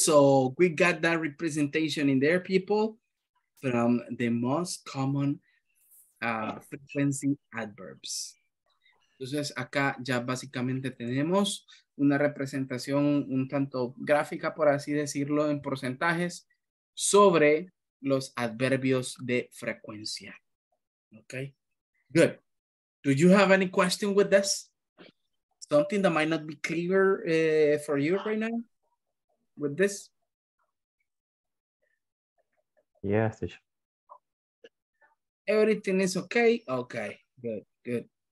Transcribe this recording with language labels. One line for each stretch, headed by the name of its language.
English: So we got that representation in there, people, from the most common frequency adverbs.
Spanish: Entonces acá ya básicamente tenemos una representación un tanto gráfica, por así decirlo, en porcentajes sobre los adverbios de frecuencia.
English: Okay, good. Do you have any question with this? Something that might not be clear for you right now with this? Yes, teacher. Everything is okay? Okay, good, good.